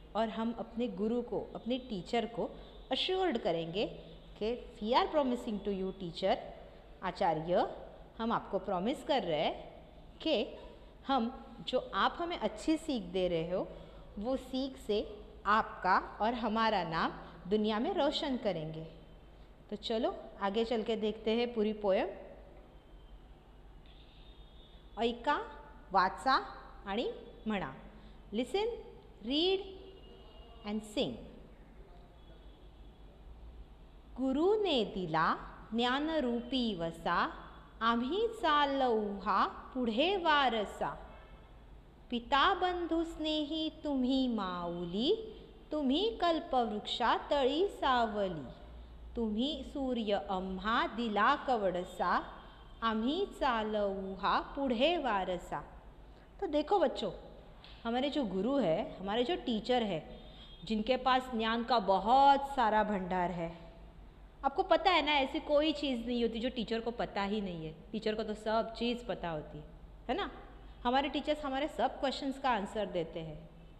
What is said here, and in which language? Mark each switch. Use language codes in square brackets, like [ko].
[hi] और हम अपने गुरु को, अपने टीचर को अश्योर्ड करेंगे कि [en] we are promising to you teacher, [hi] आचार्य, हम आपको प्रोमिस कर रहे हैं कि हम जो आप हमें अच्छी सीख दे रहे हो, वो सीख से आपका और हमारा नाम दुनिया में रोशन करेंगे। तो चलो आगे चल के देखते हैं पूरी पोयम। [mr] ऐका, वाचा आणि म्हणा, [en] Listen, read and sing. [mr] गुरु ने दिला ज्ञान रूपी वसा, आम्ही चालू हा पुढे वारसा। पिता बंधु स्नेही तुम्ही माऊली, तुम्ही कल्पवृक्षा तळी सावली। तुम्ही सूर्य अम्हा दिला कवडसा, आम्ही चालू हा पुढे वारसा। [hi] तो देखो बच्चों, हमारे जो गुरु है, हमारे जो टीचर है, जिनके पास ज्ञान का बहुत सारा भंडार है, आपको पता है ना, ऐसी कोई चीज़ नहीं होती जो टीचर को पता ही नहीं है। टीचर को तो सब चीज़ पता होती है ना। हमारे टीचर्स हमारे सब क्वेश्चंस का आंसर देते हैं।